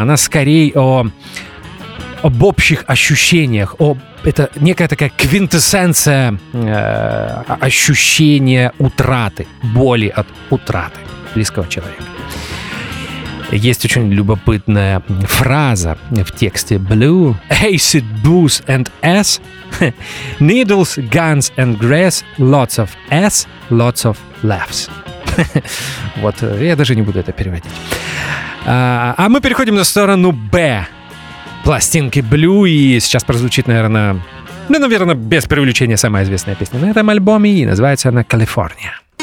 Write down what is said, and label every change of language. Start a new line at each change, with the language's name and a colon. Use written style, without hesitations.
Russian: Она скорее об общих ощущениях. Это некая такая квинтэссенция ощущения утраты, боли от утраты близкого человека. Есть очень любопытная фраза в тексте «Blue».
English: «Acid, booze and ass, needles, guns and grass, lots of ass, lots of laughs».
Russian: Вот, я даже не буду это переводить. А мы переходим на сторону «Б» пластинки «Blue». И сейчас прозвучит, наверное, ну, наверное, без преувеличения, самая известная песня на этом альбоме. И называется она «Калифорния».